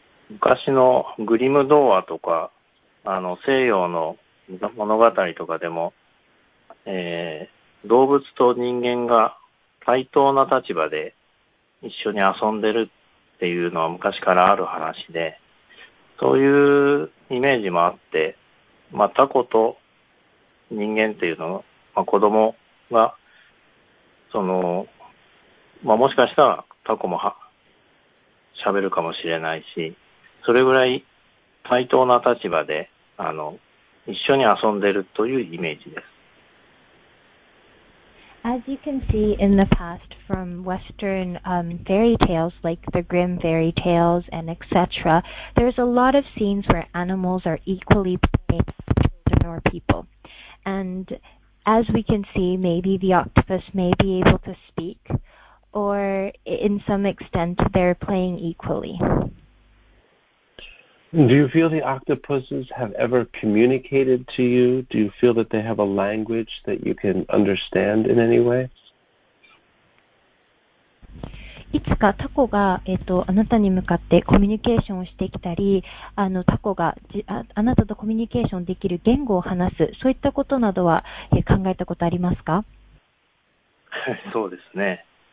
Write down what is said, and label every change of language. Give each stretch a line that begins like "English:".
Japanese: 昔のグリム童話とか、西洋の物語とかでも、動物と人間が対等な立場で一緒に遊んでるっていうのは昔からある話で、そういうイメージもあって、まあ、タコと人間っていうのは、まあ、子供が、まあ、もしかしたらタコも喋るかもしれないし、それぐらい対等な立場で、一緒に遊んでるというイメージです。
English: As you can see in the past from Western fairy tales like the Grimm fairy tales and etc., there's a lot of scenes where animals are equally playing with children or people. And as we can see, maybe the octopus may be able to speak, or in some extent they're playing equally. Do you feel the octopuses have ever communicated to you? Do you feel that they have a language that you can understand in any way?
Japanese: いつかタコが、あなたに向かってコミュニケーションをしてきたり、タコがあなたとコミュニケーションできる言語を話す、そういったことなどは、考えたことありますか？そうですね。